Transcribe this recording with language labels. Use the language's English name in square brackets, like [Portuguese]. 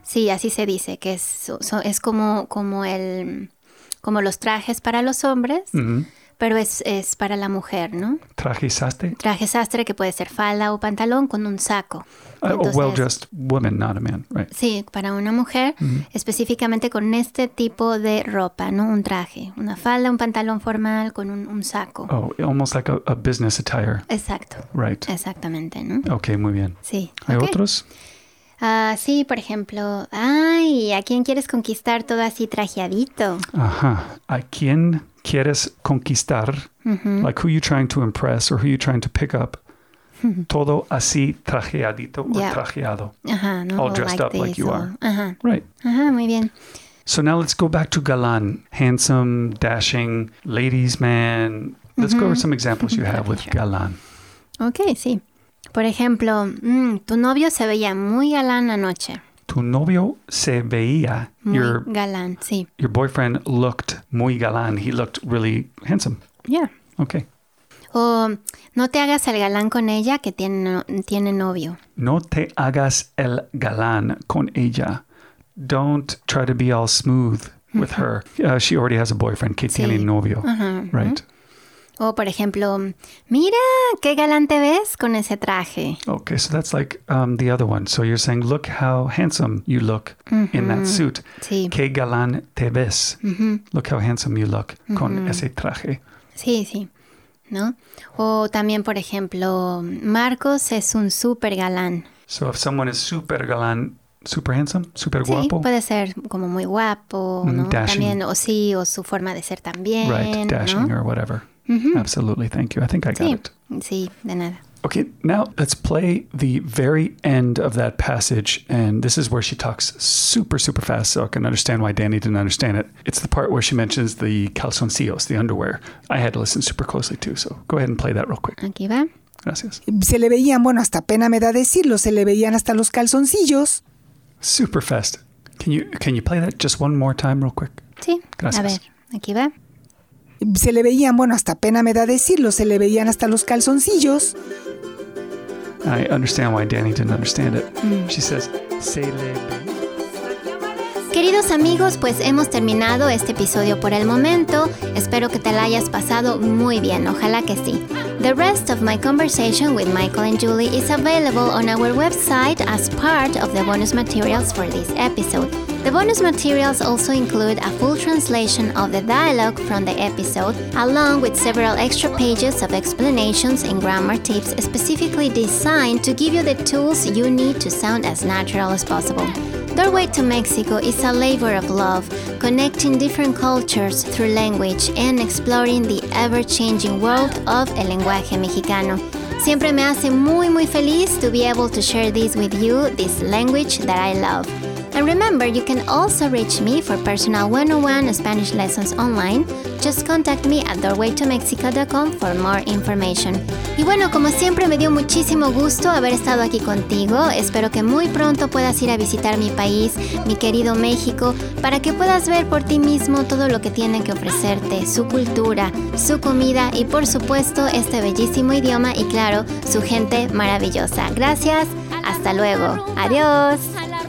[Spanish] Sí, así se dice, que es como los trajes para los hombres. Mm-hmm. Pero es para la mujer, ¿no? Traje sastre. Traje sastre, que puede ser falda o pantalón con un saco. [English] Entonces, well dressed woman, not a man, right? [Spanish] Sí, para una mujer, mm-hmm. específicamente con este tipo de ropa, ¿no? Un traje, una falda, un pantalón formal con un saco. [English] Oh, almost like a business attire. [Spanish] Exacto. [English] Right. [Spanish] Exactamente, ¿no? Okay, muy bien. Sí. ¿Hay okay. otros? Sí, por ejemplo, ay, ¿a quién quieres conquistar todo así trajeadito? Ajá, ¿a quién quieres conquistar? Mm-hmm. [English] Like, who are you trying to impress or who are you trying to pick up? [Spanish] Todo así trajeadito yeah. o trajeado. Ajá, no, [English] all dressed like up this, like you are. Ajá. Right. [Spanish] Ajá, muy bien. [English] So now let's go back to galán. Handsome, dashing, ladies man. Let's mm-hmm. go over some examples you have with sure. [Spanish] galán. Okay, sí. Por ejemplo, tu novio se veía muy galán anoche. Tu novio se veía. Muy your, galán, sí. [English] Your boyfriend looked [Spanish] muy galán. [English] He looked really handsome. Yeah. Okay. [Spanish] O no te hagas el galán con ella que tiene novio. No te hagas el galán con ella. [English] Don't try to be all smooth with her. She already has a boyfriend [Spanish] que sí. tiene novio. Uh-huh. [English] Right. [Spanish] O por ejemplo, mira qué galán te ves con ese traje. [English] Okay, so that's like the other one. So you're saying, look how handsome you look uh-huh. in that suit. [Spanish] Sí. Qué galán te ves. [English] Uh-huh. Look how handsome you look uh-huh. [Spanish] con ese traje. Sí, sí. ¿No? O también, por ejemplo, Marcos es un súper galán. [English] So if someone is súper galán, súper handsome, [Spanish] súper guapo. Sí, puede ser como muy guapo, ¿no? [English] Dashing. [Spanish] También, o sí, o su forma de ser también. [English] Right, dashing [Spanish] ¿no? [English] or whatever. Mm-hmm. Absolutely, thank you. I think I got [Spanish] sí. [English] it. [Spanish] Sí, de nada. [English] Okay, now let's play the very end of that passage. And this is where she talks super, super fast, so I can understand why Danny didn't understand it. It's the part where she mentions the calzoncillos, the underwear. I had to listen super closely too, so go ahead and play that real quick. [Spanish] Aquí va. Gracias. Se le veían, bueno, hasta pena me da decirlo, se le veían hasta los calzoncillos. [English] Super fast. Can you play that just one more time real quick? [Spanish] Sí. Gracias. A ver, aquí va. Se le veían, bueno, hasta pena me da decirlo, se le veían hasta los calzoncillos. [English] I understand why Danny didn't understand it. She says, [Spanish] se le ve. Queridos amigos, pues hemos terminado este episodio por el momento. Espero que te la hayas pasado muy bien, ojalá que sí. [English] The rest of my conversation with Michael and Julie is available on our website as part of the bonus materials for this episode. The bonus materials also include a full translation of the dialogue from the episode, along with several extra pages of explanations and grammar tips specifically designed to give you the tools you need to sound as natural as possible. Doorway to Mexico is a labor of love, connecting different cultures through language and exploring the ever-changing world of [Spanish] el lenguaje mexicano. Siempre me hace muy, muy feliz [English] to be able to share this with you, this language that I love. And remember, you can also reach me for personal 101 Spanish lessons online. Just contact me at doorwaytomexico.com for more information. [Spanish] Y bueno, como siempre, me dio muchísimo gusto haber estado aquí contigo. Espero que muy pronto puedas ir a visitar mi país, mi querido México, para que puedas ver por ti mismo todo lo que tiene que ofrecerte, su cultura, su comida y, por supuesto, este bellísimo idioma y, claro, su gente maravillosa. Gracias, hasta luego. Adiós.